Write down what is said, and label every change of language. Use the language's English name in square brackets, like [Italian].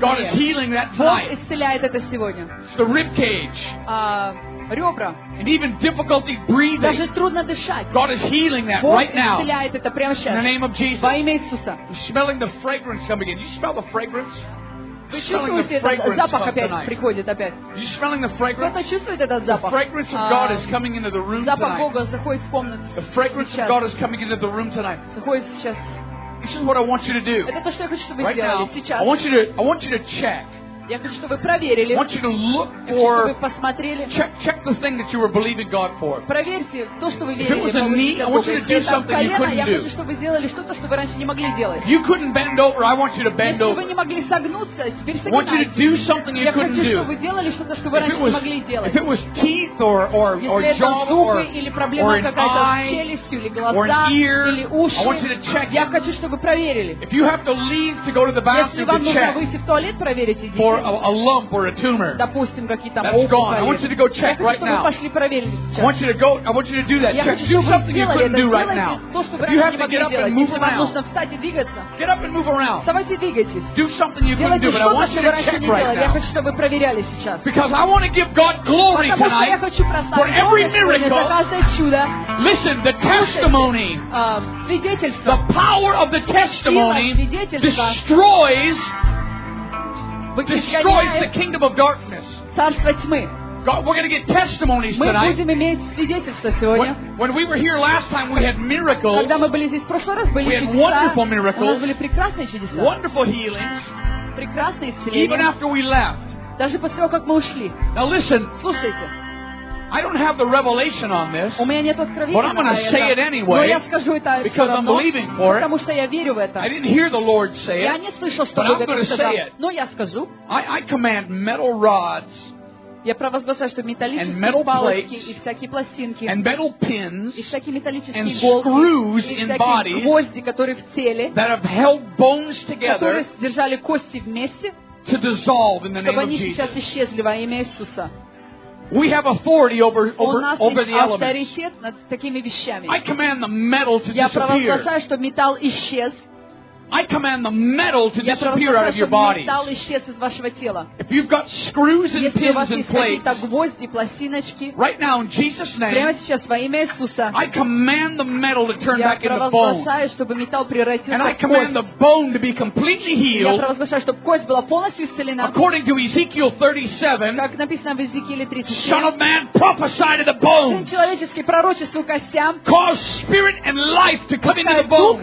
[English] God is healing that tonight. It's the rib cage. And even difficulty breathing. God is healing that right now. In the name of Jesus. I'm smelling the fragrance coming in. You smell the fragrance? You smelling the fragrance? [Russian] Кто-то чувствует этот запах? [English] The fragrance of God is coming into the room tonight. [Russian] Запах Бога заходит в комнату. [English] The fragrance of God is coming into the room tonight. [Russian] Заходит сейчас. [English] This is what I want you to do. [Russian] Это то, что я хочу, чтобы вы сделали сейчас. [English] I want you to check. [Russian] Я хочу, чтобы вы проверили. [English] Check the thing that you were believing God for. [Russian] Проверьте то, что вы верили. [English] If it was a knee, I want you to do something you couldn't do. [Russian] Я хочу, чтобы вы сделали что-то, что вы раньше не могли делать. [English] If you couldn't bend over, I want you to bend over. [Russian] Если вы не могли согнуться, теперь согнитесь. [English] I want you to do something you couldn't do. [Russian] Я хочу, чтобы вы делали что-то, что вы раньше не могли делать. [English] If it was teeth or jaw or an eye or an ear, I want you to check. [Russian] Я хочу, чтобы проверили. [English] If you have to leave to go to the bathroom, check. Or a lump or a tumor. [Russian] Допустим, какие-то опухоли. [English] That's gone. I want you to go check right now. [Russian] Пошли проверили. [English] I want you to do that. Check. Do something you couldn't do right now. You have to get up and move around. Get up and move around. [Russian] Вставайте, двигайтесь. [English] Do something you couldn't do, but I want you to check right now. [Russian] Я хочу, чтобы вы проверяли сейчас. [English] Because I want to give God glory tonight for every miracle. Listen, the testimony. [Russian] Свидетельство. [English] The power of the testimony destroys. Destroys the kingdom of darkness. [Russian] Царство тьмы. [English] God, we're going to get testimonies tonight. [Russian] Мы будем иметь свидетельства сегодня. [English] When we were here last time, we had miracles. [Russian] Когда мы были здесь в прошлый раз, были чудеса. [English] We had wonderful miracles. [Russian] У нас были прекрасные чудеса. [English] Wonderful healings. [Russian] Прекрасные исцеления. [English] Even after we left. [Russian] Даже после того, как мы ушли. [English] Now listen. [Russian] Слушайте. [English] I don't have the revelation on this. [Russian] У меня нет откровения. [English] But I'm going to say it anyway. [Russian] Но я скажу это. [English] Because I'm believing for it. [Russian] Потому что я верю в это. [English] I didn't hear the Lord say it. [Russian] Я не слышал, что Бог это сказал. Но я скажу. [English] I command metal rods. [Russian] Я провозглашаю, что металлические палочки и всякие пластинки [English] and metal pins [Russian] и всякие металлические [English] and [Russian] иголки [English] screws [Russian] и всякие гвозди, которые в теле, [English] that have held bones together, [Russian] которые держали кости вместе, [English] to dissolve in the name of Jesus. [Russian] Чтобы они сейчас исчезли во имя Иисуса. [English] We have authority over the elements. [Russian] Над такими вещами. [English] I command the metal to disappear. [Russian] Я провозглашаю, что металл исчез. [English] I command the metal to disappear out of your body. [Russian] Я провозглашаю, что металл исчез из вашего тела. [English] If you've got screws and pins and plates, [Russian] если у вас есть какие-то гвозди, пластиночки, [English] right now in Jesus' name, [Russian] прямо сейчас во имя Иисуса, [English] I command the metal to turn back into bone. [Russian] Я провозглашаю, чтобы металл превратился в кость. [English] And I command the bone to be completely healed. [Russian] Я провозглашаю, чтобы кость была полностью исцелена. [English] According to Ezekiel 37, [Russian] как написано в Иезекииле 37, [English] Son of man, prophesy to the bones. [Russian] Сын человеческий, пророчеству костям. [English] Cause spirit and life to come into the bones.